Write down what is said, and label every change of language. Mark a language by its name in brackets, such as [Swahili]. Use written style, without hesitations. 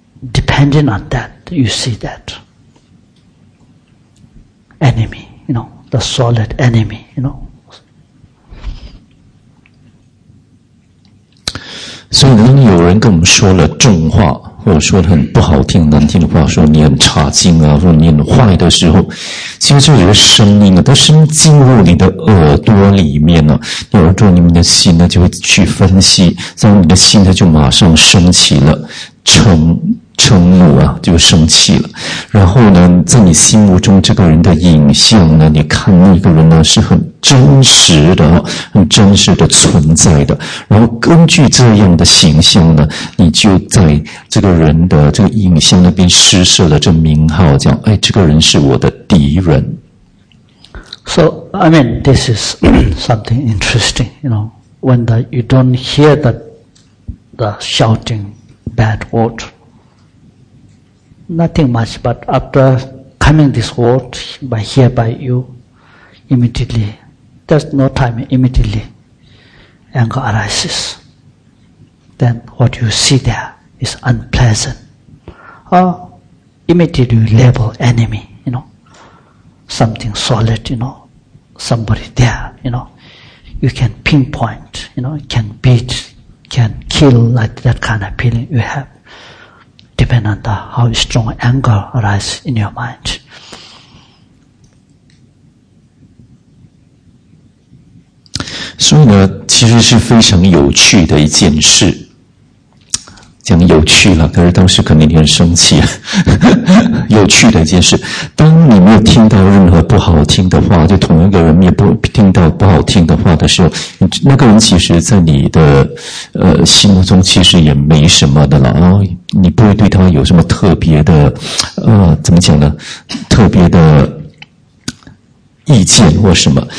[English] Depending on that, you see that enemy, you know, the solid enemy, you know. [Chinese] 所以当有人跟我们说了重话，或者说很不好听、难听的话，说你很差劲啊，说你很坏的时候，其实这个声音啊，它是进入你的耳朵里面了、啊。有人说你们的心呢，就会去分析，然后你的心它就马上升起了嗔怒啊，就生气了。然后呢，在你心目中这个人的影像呢，你看那个人呢是很真实的，很真实的存在的。然后根据这样的形象呢，你就在这个人的这个影像那边施设了这名号，讲哎，这个人是我的敌人。 [English] So I mean, this is something interesting. You know, when you don't hear the shouting bad word. Nothing much, but after coming this word by here by you, immediately, there's no time, immediately, anger arises. Then what you see there is unpleasant. Or immediately you label enemy, you know, something solid, you know, somebody there, you know, you can pinpoint, you know, can beat, can kill, like that kind of feeling you have. dependent, how strong anger arises in your mind. [Chinese] So, 呢，其实是非常有趣的一件事。讲有趣了，可是当时肯定很生气。有趣的一件事，当你没有听到任何不好听的话，就同一个人也不听到不好听的话的时候，那个人其实在你的心目中其实也没什么的了，你不会对他有什么特别的怎么讲呢，特别的意见或什么。